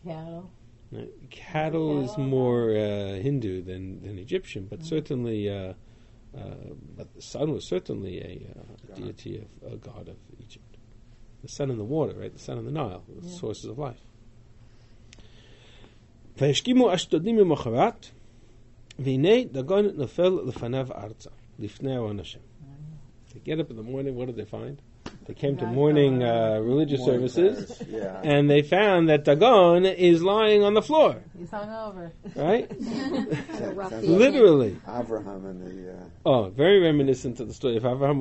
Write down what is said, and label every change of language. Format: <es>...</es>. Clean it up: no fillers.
<en>cattle. Right? Cattle is more Hindu than Egyptian, but certainly, but the sun was certainly a deity of a god of Egypt. The sun and the water, right? The sun and the Nile, the sources of life.</en> <he>והשכימו אשדודים ממחרת, והנה דגון נופל לפניו ארצה, לפני ארון השם.</he> <en>They get up in the morning, what did they find? They came to morning religious morning services, yeah. And they found that Dagon is lying on the floor. He's hung over. Right? Literally. Like Abraham and the... Very reminiscent of the story of Abraham.</en>